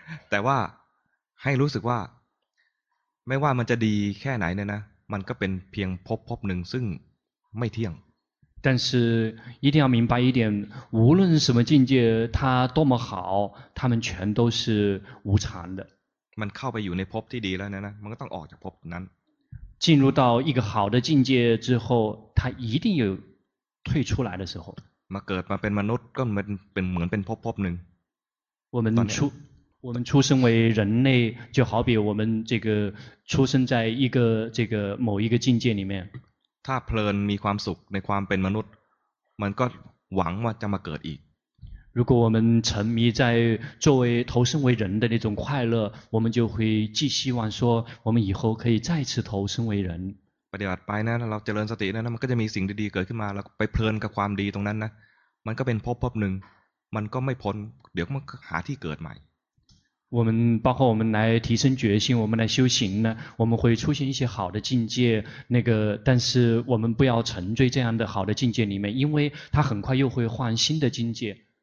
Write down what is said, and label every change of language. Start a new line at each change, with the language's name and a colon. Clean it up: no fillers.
Thai: แต่ว่าให้รู้สึกว่าไม่ว่ามันจะดีแค่ไหนเนี่ยนะมันก็เป็นเพียงพบหนึ่งซึ่งไม่เที่ยง
Chinese: 但是一定要明白一点无论什么境界它多么好它们全都是无常的
Thai: มันเข้าไปอยู่ในภพที่ดีแล้วนะมันก็ต้องออกจากภพนั้น
Chinese: 进入到一个好的境界之后它一定有退出来的时候
Thai: มาเกิดมาเป็นมนุษย์ก็เหมือนเป็นภพนึง
Chinese: 我们出生为人类就好比我们这个出生在一个这个某一个境界里面
Thai: ถ้าเพลินมีความสุขในความเป็นมนุษย์มันก็หวังว่าจะมาเกิดอีก
Chinese: 如果我们沉迷在作为投生为人的那种快乐我们就会寄希望说我们以后可以再次投生为人
Thai: ปฏิบัติไปนะเราเจริญสตินะมันก็จะมีสิ่งดีๆเกิดขึ้นมาแล้วไปเพลินกับความดีตรงนั้นนะมันก็เป็นภพนึงมันก็ไม่พ้นเดี๋ยวมันหาที่เกิดใหม่
Chinese: 我们包括我们来提升决心，我们来修行呢，我们会出现一些好的境界。那个，但是我们不要沉醉这样的好的境界里面，因为它很快又会换新的境界。